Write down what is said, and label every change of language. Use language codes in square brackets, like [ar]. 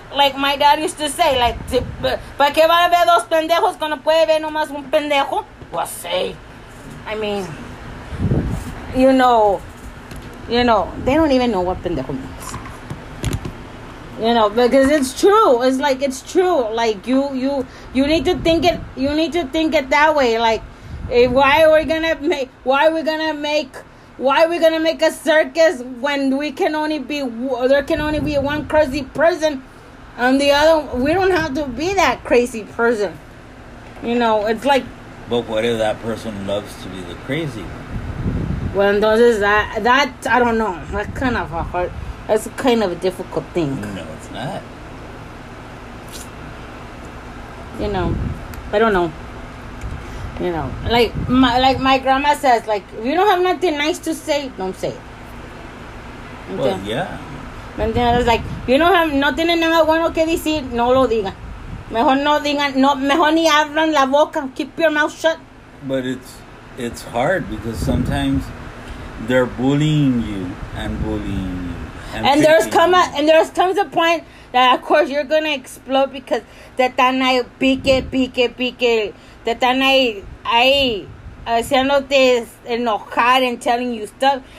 [en] Like my dad used to say, like, [es] ¿para qué va a haber dos pendejos cuando puede ver nomás un pendejo? [en] Well, say, I mean, you know, they don't even know what pendejo means. You know, because it's true. It's like, it's true. Like, you need to think it that way. Like, why are we gonna make a circus when there can only be one crazy person? And the other, we don't have to be that crazy person. You know, it's like... But what if that person loves to be the crazy one? Well, entonces, that, I don't know. That's kind of a difficult thing. No, it's not. You know, I don't know. You know, like my grandma says, like, if you don't have nothing nice to say, don't say it. Okay. Well, yeah. And then I was like, you know, [es] no tienen nada bueno que decir, no lo digan. Mejor no digan, no, mejor ni abran la boca. [en] Keep your mouth shut. But it's hard because sometimes they're bullying you and bullying you. And there comes a point that, of course, you're going to explode because [es] de tan ahí pique, de tan ahí haciéndote enojar [en] and telling you stuff.